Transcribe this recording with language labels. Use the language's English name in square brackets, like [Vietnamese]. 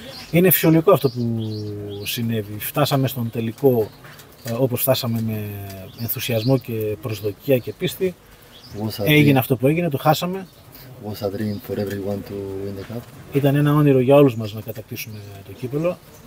[Greek] Είναι φυσιολογικό αυτό που συνέβη. Φτάσαμε στον τελικό όπως φτάσαμε, με ενθουσιασμό και προσδοκία και πίστη. Έγινε αυτό που έγινε, το χάσαμε. [English] Was a dream for everyone to win the cup. [Greek] Ήταν ένα όνειρο για όλους μας να κατακτήσουμε το κύπελλο.